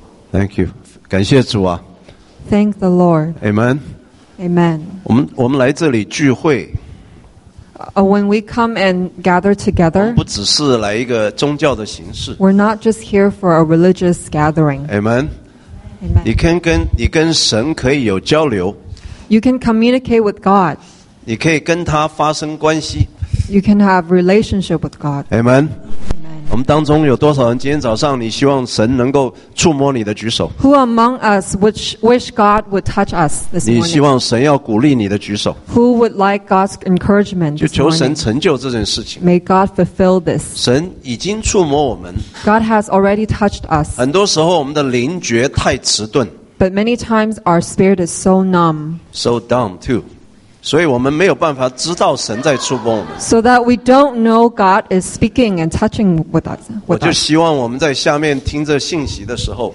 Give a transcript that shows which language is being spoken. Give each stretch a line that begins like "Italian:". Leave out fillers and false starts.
English: Thank you,
Chinese: 感谢主啊。
English: Thank the Lord. Amen. Amen.
Chinese: 我们来这里聚会。
English: When we come and gather together,
Chinese: 不只是来一个宗教的形式。
English: We're not just here for a religious gathering. Amen. Amen.
Chinese: 你跟神可以有交流。
English: You can communicate with God.
Chinese: 你可以跟他发生关系。
English: You can have relationship with God. Amen. Amen.
Chinese: 我们当中有多少人今天早上你希望神能够触摸你的举手
English: ？Who among us which wish God would touch us this morning？
Chinese: 你希望神要鼓励你的举手
English: ？Who would like God's encouragement？
Chinese: 就求神成就这件事情。
English: May God fulfill this。
Chinese: 神已经触摸我们。
English: God has already touched us。
Chinese: 很多时候我们的灵觉太迟钝。
English: But many times our spirit is so numb。 So dumb too。
Chinese: 所以我们没有办法知道神在触摸我们。
English: So that we don't know God is speaking and touching with us.
Chinese: 我就希望我们在下面听着信息的时候。